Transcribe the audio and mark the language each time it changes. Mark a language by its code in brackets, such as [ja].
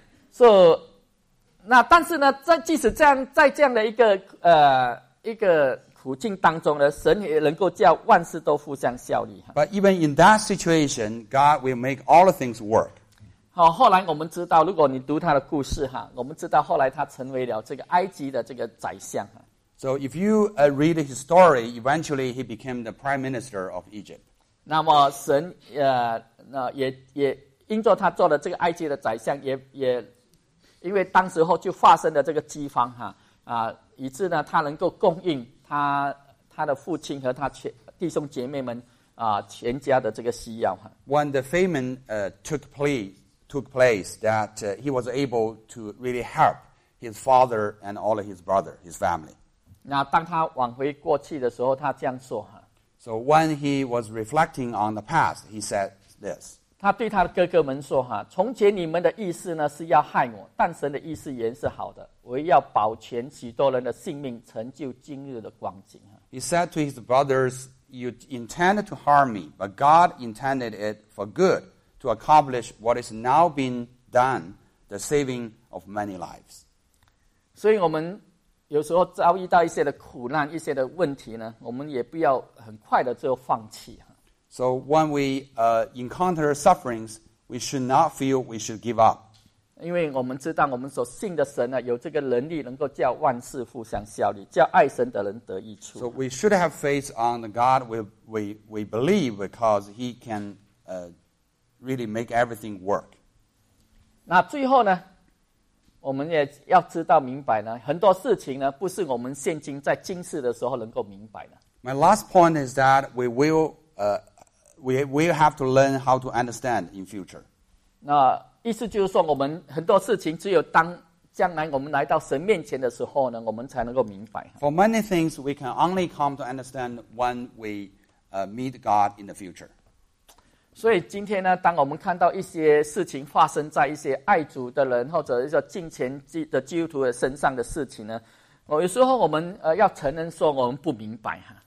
[zh] So, 那但是呢在即使这样在这样的一个苦境当中呢神也能够叫万事都互相效力。 [en] But even in that situation, God will make all the things work. [zh] 好，后来我们知道如果你读他的故事哈我们知道后来他成为了这个埃及的这个宰相。 [en] So if you read his story, eventually he became the prime minister of Egypt. [zh] 那么神也因着他做了这个埃及的宰相，也因为当时候就发生了这个饥荒哈啊，以致呢他能够供应他的父亲和他弟兄姐妹们全家的这个需要哈。 [en] When the famine took place, that he was able to really help his father and all of his brother, his family. [zh] 那当他往回过去的时候，他这样说哈。 [en] So when he was reflecting on the past, he said this. [zh] 他对他的哥哥们说哈：“从前你们的意思呢是要害我，但神的意思原是好的，为要保全许多人的性命，成就今日的光景。” [en] He said to his brothers, "You intended to harm me, but God intended it for good to accomplish what is now being done, the saving of many lives." [zh] 所以我们。有时候遭遇到一些的苦难一些的问题呢我们也不要很快的就放弃。 [en] So when we encounter sufferings, we should not feel we should give up. [zh] 因为我们知道我们所信的神呢有这个能力能够叫万事互相效力叫爱神的人得益处。 [en] So we should have faith on the God we believe because he can really make everything work. [zh] 那最后呢我们也要知道明白呢很多事情呢不是我们现今在今世的时候能够明白的。 [en] My last point is that we will have to learn how to understand in future. [zh] 那意思就是说我们很多事情只有当将来我们来到神面前的时候呢我们才能够明白。 [en] For many things we can only come to understand when we meet God in the future. [zh] 所以今天呢当我们看到一些事情发生在一些爱主的人或者一些敬虔的基督徒的身上的事情呢有时候我们要承认说我们不明白。